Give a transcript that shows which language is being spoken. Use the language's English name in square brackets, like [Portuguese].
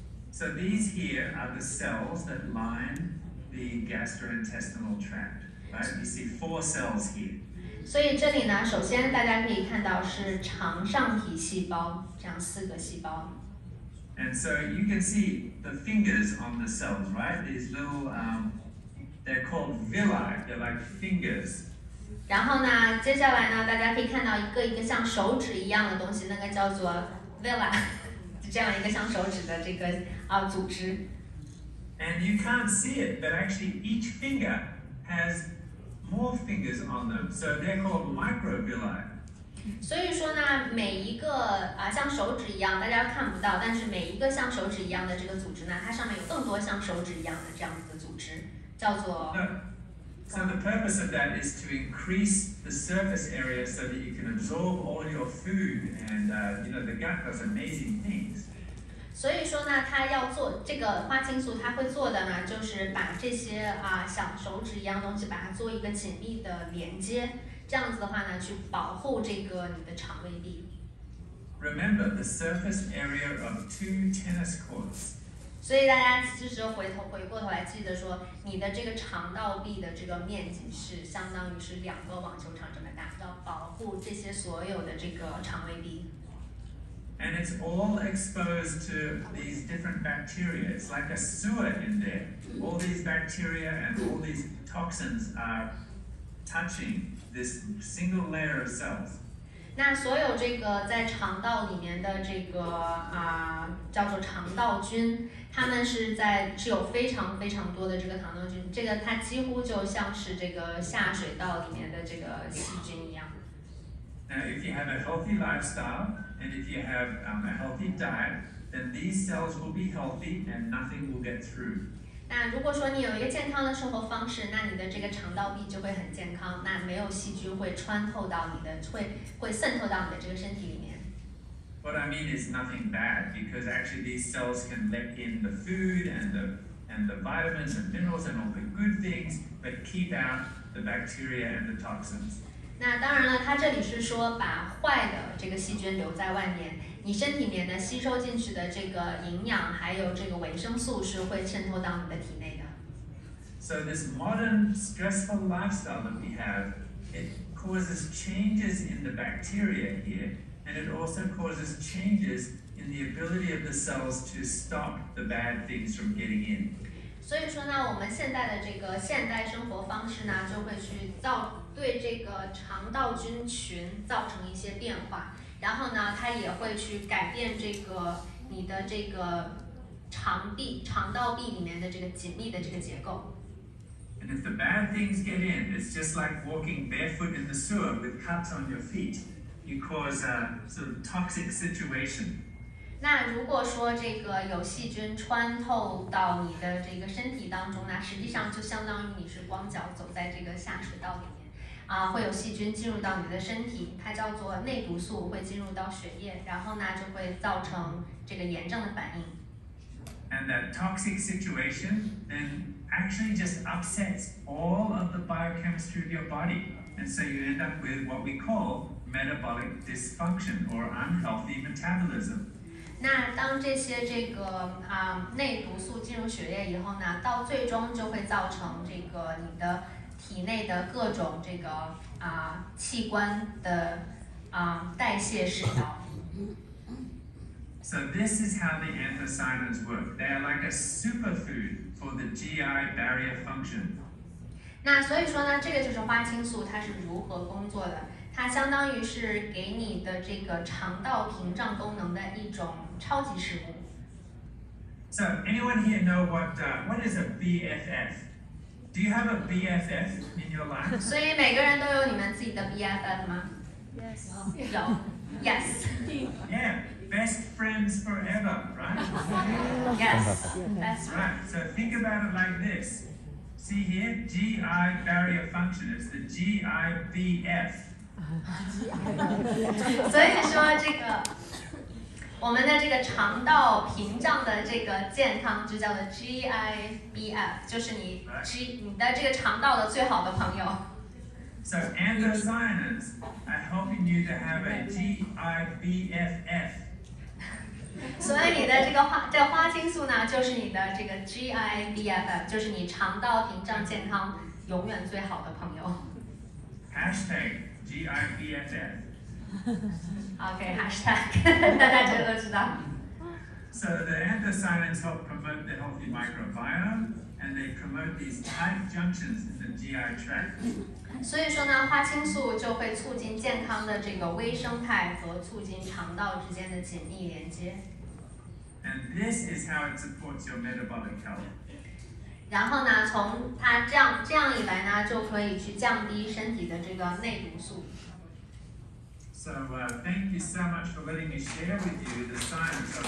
[English] So these here are the cells that line the gastrointestinal tract, right? You see four cells here. [Chinese] 所以这里呢，首先大家可以看到是肠上皮细胞，这样四个细胞。 [English] And so you can see the fingers on the cells, right? These little, they're called villi. They're like fingers. [Chinese] 然后呢，接下来呢，大家可以看到一个一个像手指一样的东西，那个叫做 villi， 这样一个像手指的这个组织。 [English] And you can't see it, but actually each finger has more fingers on them, so they're called microvilli. [Chinese] 所以说呢，每一个像手指一样，大家看不到，但是每一个像手指一样的这个组织呢，它上面有更多像手指一样的这样的组织，叫做。 [English] So the purpose of that is to increase the surface area so that you can absorb all your food, and you know the gut does amazing things. [Chinese] 所以说呢，它要做这个花青素，它会做的呢，就是把这些像手指一样东西，把它做一个紧密的连接，这样子的话呢，去保护这个你的肠胃壁。 [English] Remember the surface area of two tennis courts. [Chinese] 所以大家就是回过头来记得说，你的这个肠道壁的这个面积是相当于是两个网球场这么大，要保护这些所有的这个肠胃壁。 [English] And it's all exposed to these different bacteria. It's like a sewer in there. All these bacteria and all these toxins are touching this single layer of cells. [Chinese] 那所有这个在肠道里面的这个叫做肠道菌，他们是有非常非常多的这个肠道菌，这个它几乎就像是这个下水道里面的这个细菌一样。 [English] Now, if you have a healthy lifestyle and if you have a healthy diet, then these cells will be healthy and nothing will get through. [Chinese] 那如果说你有一个健康的生活方式，那你的这个肠道壁就会很健康，那没有细菌会穿透到你的，会渗透到你的这个身体里面。 [English] What I mean is nothing bad, because actually these cells can let in the food and the vitamins and minerals and all the good things, but keep out the bacteria and the toxins. [Chinese] 那当然了，它这里是说把坏的这个细菌留在外面，你身体里面呢吸收进去的这个营养还有这个维生素是会渗透到你的体内的。 [English] So this modern stressful lifestyle that we have, it causes changes in the bacteria here. And it also causes changes in the ability of the cells to stop the bad things from getting in. [Chinese] 所以说呢，我们现在的这个现代生活方式呢，就会去对这个肠道菌群造成一些变化。然后呢，它也会去改变这个你的这个肠道壁里面的这个紧密的这个结构。 [English] And if the bad things get in, it's just like walking barefoot in the sewer with cuts on your feet. You cause a sort of toxic situation. [Chinese] 那如果说这个有细菌穿透到你的这个身体当中呢，实际上就相当于你是光脚走在这个下水道里面，会有细菌进入到你的身体，它叫做内毒素会进入到血液，然后呢就会造成这个炎症的反应。 [English] And that toxic situation then actually just upsets all of the biochemistry of your body, and so you end up with what we call. Metabolic dysfunction or unhealthy metabolism. [Chinese] 那当这些这个内毒素进入血液以后呢，到最终就会造成这个你的体内的各种这个器官的代谢失调。 [English] So this is how the anthocyanins work. They are like a superfood for the GI barrier function. [Chinese] 那所以说呢，这个就是花青素它是如何工作的。它相当于是给你的这个肠道屏障功能的一种超级食物。 [English] So anyone here know what is a BFF? Do you have a BFF in your life? [Chinese] 所以每个人都有你们自己的 BFF 吗？ [English] Yes. [Chinese] 有。 [English] Yes. Yeah, best friends forever, right? Yes. Best friends. Right. So think about it like this. See here, GI barrier function is the GIBF. [Chinese] 所以说这个我们的这个肠道屏障的这个健康就叫做 GIBF， 就是你的这个肠道的最好的朋友。 [English] So anthocyanins are helping you to have a GIBFF. [Chinese] 所以你的这个花青素呢，就是你的这个 GIBFF， 就是你肠道屏障健康永远最好的朋友。 [English] Hashtag GIBFF。 [Chinese] OK，Hashtag， 大家都知道。 [English] So the anthocyanins help promote the healthy microbiome, and they promote these tight junctions in the GI tract. [Chinese] 所以说呢，花青素就会促进健康的这个微生态和促进肠道之间的紧密连接。 [English] And this is how it supports your metabolic health. [Chinese] 然后呢，从它这样以来呢，就可以去降低身体的这个内毒素。 [English] So thank you so much for letting me share with you the science